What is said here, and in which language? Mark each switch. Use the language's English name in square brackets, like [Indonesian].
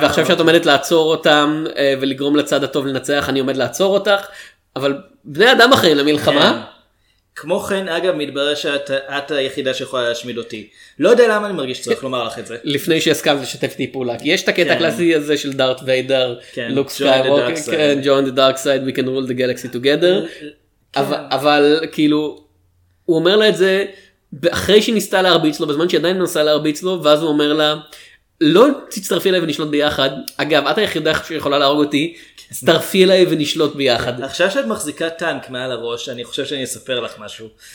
[Hebrew] ועכשיו שאת עומדת לעצור אותם, ולגרום לצד הטוב לנצח, אני עומד לעצור אותך, אבל בני אדם אחראים למלחמה. כמו כן, אגב, מתברר שאת היחידה שיכולה להשמיד אותי. לא יודע למה אני מרגיש צריך לומר לך את זה. לפני שהסכם ושתפתי פעולה. יש את הקטע הקלאסי הזה של דארט ויידר, לוק סקייווקר, [English] ג'ון דה דארק סייד, we can rule the galaxy together. [Hebrew] אבל כאילו, הוא אומר לה את זה, אחרי שהיא ניסתה להרביץ לו, בזמן שהיא עדיין ניסה להרביץ לו, ואז הוא אומר לה, לא תצטרפי אליי ונשלוט ביחד. אגב, את היחידה שיכולה להרוג אותי, תצטרפי אליי ונשלוט ביחד. עכשיו שאת מחזיקה טנק מעל הראש, אני חושב שאני אספר לך משהו.